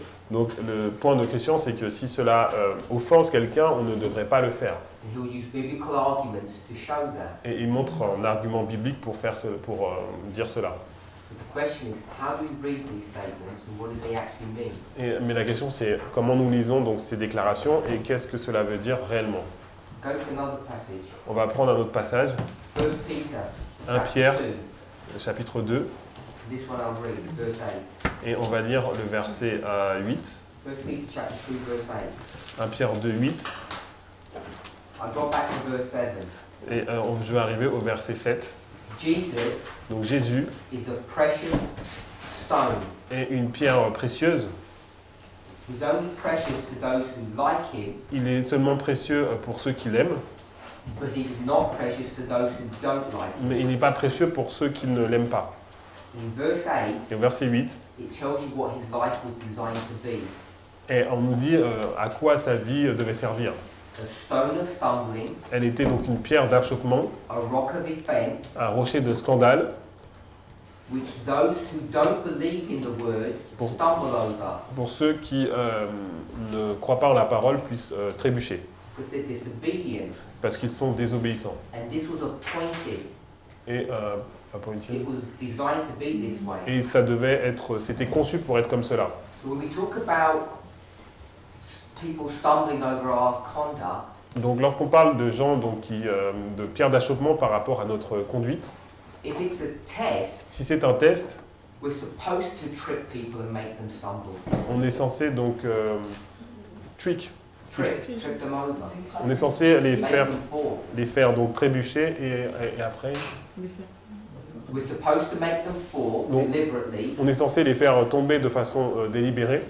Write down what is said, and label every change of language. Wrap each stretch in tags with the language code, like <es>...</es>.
<fr>Donc le point de question, c'est que si cela offense quelqu'un, on ne devrait pas le faire.</fr> <en>And he'll use biblical arguments to show that.</en> <fr>Et il montre un argument biblique pour faire ce, pour dire cela.</fr> <en>The question is, how do we read these statements and what do they actually mean?</en> <fr>Mais la question c'est comment nous lisons donc ces déclarations et qu'est-ce que cela veut dire réellement?</fr> <en>Go to another passage.</en> <fr>On va prendre un autre passage.</fr> <en>1 Peter,</en> <fr>1 Pierre, chapitre 2.</fr> <en>This one I'll read, verse 8.</en> <fr>Et on va lire le verset 8.</fr> <en>1 Peter, chapter 2, verse 8.</en> <fr>1 Pierre 2, 8.</fr> <en>I'll go back to verse 7.</en> <fr>Et je vais arriver au verset 7.</fr> <en>Jesus,</en> <fr>donc Jésus</fr> <en>is a precious stone.</en> <fr>Est une pierre précieuse.</fr> <en>He's only precious to those who like him.</en> <fr>Il est seulement précieux pour ceux qui l'aiment.</fr> <en>But he's not precious to those who don't like him.</en> <fr>Mais il n'est pas précieux pour ceux qui ne l'aiment pas.</fr> <en>In verse 8,</en> <fr>et au verset 8,</fr> <en>it tells you what his life was designed to be.</en> <fr>Et on nous dit à quoi sa vie devait servir.</fr> <en>A stone of stumbling,</en> <fr>elle était donc une pierre d'achoppement,</fr> <en>a rock of offense,</en> <fr>un rocher de scandale,</fr> <en>which those who don't believe in the word stumble over.</en> <fr>Pour ceux qui ne croient pas en la parole puissent trébucher.</fr> <en>Because they're disobedient.</en> <fr>Parce qu'ils sont désobéissants.</fr> <en>And this was appointed.</en> <fr>Et appointed.</fr> <en>It was designed to be this way.</en> <fr>Et ça devait être, c'était conçu pour être comme cela.</fr> <en>So when we talk about people stumbling over our conduct.</en> <fr>Donc lorsqu'on parle de gens, donc qui, de pierres d'achoppement par rapport à notre conduite,</fr> <en>if it's a test,</en> <fr>si c'est un test,</fr> <en>we're supposed to trick people and make them stumble.</en> <fr>On est censé donc</fr> <en>trick them over.</en> <fr>On est censé les faire donc trébucher et après.</fr> <en>We're supposed to make them fall donc, deliberately.</en> <fr>On est censé les faire tomber de façon délibérée,</fr>